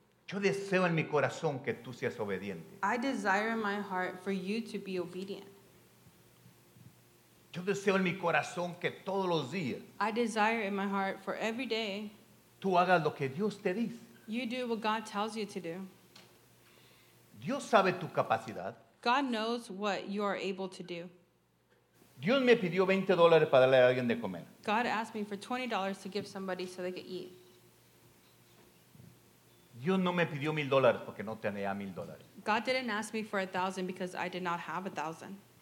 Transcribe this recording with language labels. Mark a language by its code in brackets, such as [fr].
[es] Yo deseo en mi corazón que tú seas obediente. [en] I desire in my heart for you to be obedient. [es] Yo deseo en mi corazón que todos los días. [en] I desire in my heart for every day. [es] Tú hagas lo que Dios te dice. [en] You do what God tells you to do. [es] Dios sabe tu capacidad. [en] God knows what you are able to do. [es] Dios me pidió $20 para darle a alguien de comer. [en] God asked me for $20 to give somebody so they could eat. [es] Dios no me pidió $1,000 porque no tenía $1,000. [en] God didn't ask me for $1,000 because I did not have $1,000.